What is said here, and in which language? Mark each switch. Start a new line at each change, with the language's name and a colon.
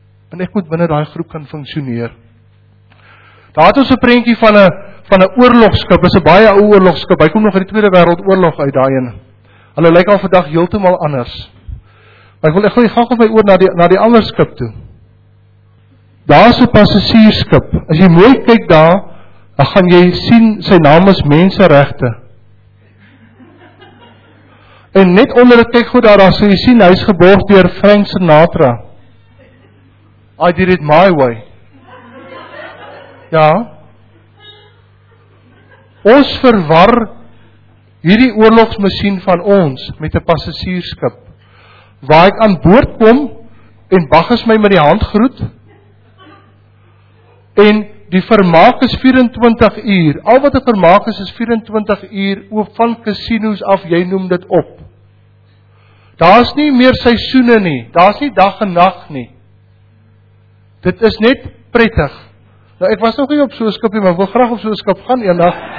Afrikaans: En ek moet binne daai groep kan funksioneer. Daar het ons 'n prentjie van 'n oorlogskip, is 'n baie ou oorlogskip, hy kom nog uit die Tweede Wêreldoorlog uit daai een. Hulle lyk al vandag heeltemal anders. Maar ek wil gou gaan op my oor na die ander skip toe. Daar is 'n passasiersskip. As jy mooi kyk daar, dan gaan jy sien sy naam is Menseregte. En net onder die kyk goed daar sal jy sien hy is geborg deur Frank Sinatra.
English: I did it my way. Ja.
Afrikaans: Ons verwar hierdie oorlogsmasjien van ons met 'n passasiersskip. Waar ek aan boord kom en wag is my met die hand groet. En die vermaak is 24 uur. Al wat 'n vermaak is 24 uur oop van casinos af, jy noem dit op. Daar's nie meer seisoene nie. Daar's nie dag en nag nie. Dit is net prettig. Nou ek was nog nie op so 'n skip nie, maar wil graag op so 'n skip gaan eendag.